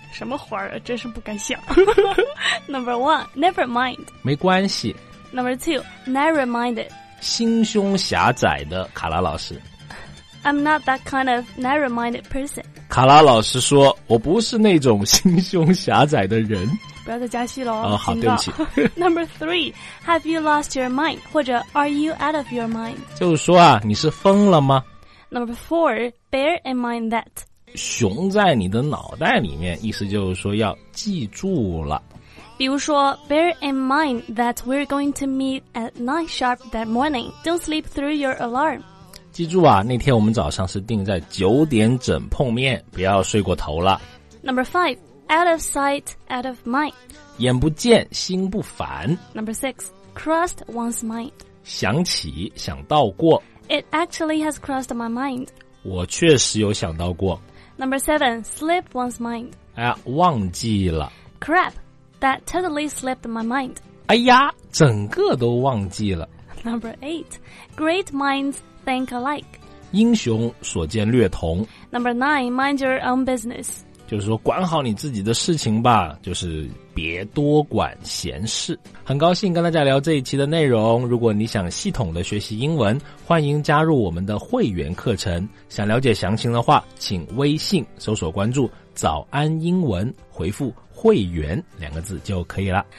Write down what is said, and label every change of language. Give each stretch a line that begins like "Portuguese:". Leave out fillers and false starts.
Chinese: 什么花儿，真是不敢想
English: Number one, never mind，
Chinese: 没关系。
English: Number two, narrow minded，
Chinese: 心胸狭窄的卡拉老师。
English: I'm not that kind of narrow minded person。
Chinese: 卡拉老师说我不是那种心胸狭窄的人，不要再加戏了。哦，好，对不起
English: Number three, have you lost your mind，
Chinese: 或者
English: are you out of your mind，
Chinese: 就是说啊你是疯了吗。
English: Number four, bear in mind that，
Chinese: 熊在你的脑袋里面，意思就是说要记住了。
English: 比如说 bear in mind that we're going to meet at 9 sharp that morning， don't sleep through your alarm。
Chinese: 记住啊，那天我们早上是定在九点整碰面，不要睡过头了。
English: Number 5， out of sight out of mind，
Chinese: 眼不见心不烦。
English: Number 6， crossed one's mind，
Chinese: 想起想到过。
English: It actually has crossed my mind，
Chinese: 我确实有想到过。
English: Number seven, slip one's mind.
Chinese: 哎呀，忘记了。
English: Crap, that totally slipped my mind.
Chinese: 哎呀，整个都忘记了。
English: Number eight, great minds think alike.
Chinese: 英雄所见略同。
English: Number nine, mind your own business.
Chinese: 就是说管好你自己的事情吧，就是别多管闲事。很高兴跟大家聊这一期的内容，如果你想系统的学习英文，欢迎加入我们的会员课程，想了解详情的话请微信搜索关注早安英文，回复会员两个字就可以了。